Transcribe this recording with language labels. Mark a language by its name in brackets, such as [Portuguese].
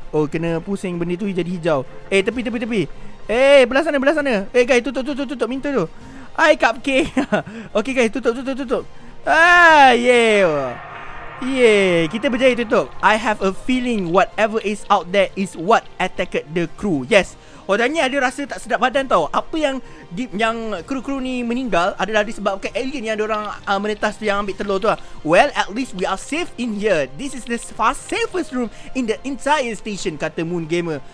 [Malay] Oh, kena pusing benda tu jadi hijau. Eh, tepi. Eh, belah sana. Eh guys, tutup pintu tu. Hi Cupcake. Okay guys, tutup. Ah, yeah. Yeah, kita berjaya tutup. [English] I have a feeling whatever is out there is what attacked the crew. [Malay] Yes. Oh, Daniel ada rasa tak sedap badan tau. Apa yang yang kru-kru ni meninggal adalah disebabkan alien yang diorang menetas tu, yang ambil telur tu lah. [English] Well, at least we are safe in here. This is the safest room in the entire station, kata Moon Gamer.